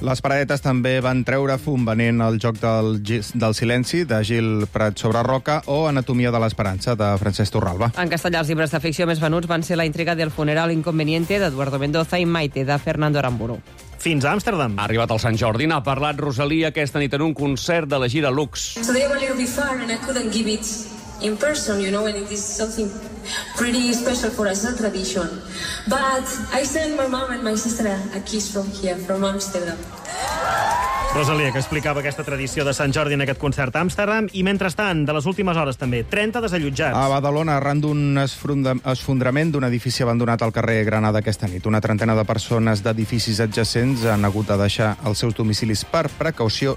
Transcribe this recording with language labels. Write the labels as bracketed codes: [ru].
[ca] Les paradetes també van treure fum venent el joc del silenci de Gil Prat sobre Roca o Anatomia de l'esperança de Francesc Torralba. En castellà els llibres de ficció més venuts van ser La intriga del funeral inconveniente d'Eduardo Mendoza i Maite de Fernando Aramburu. Fins a Amsterdam. Ha arribat el Sant Jordi, n'ha parlat Rosalía aquesta nit en un concert de la gira Lux. [en] Today I'm a little bit far and I couldn't give it in person, you know, and it is something pretty special for us, a tradition. But I send my mom and my sister a kiss from here, from Amsterdam. [ca] Rosalía, que explicava aquesta tradició de Sant Jordi en aquest concert a Amsterdam. I mentrestant, de les últimes hores també, 30 desallotjats. A Badalona, arran d'un esfondrament d'un edifici abandonat al carrer Granada aquesta nit. Una trentena de persones d'edificis adjacents han hagut de deixar els seus domicilis per precaució.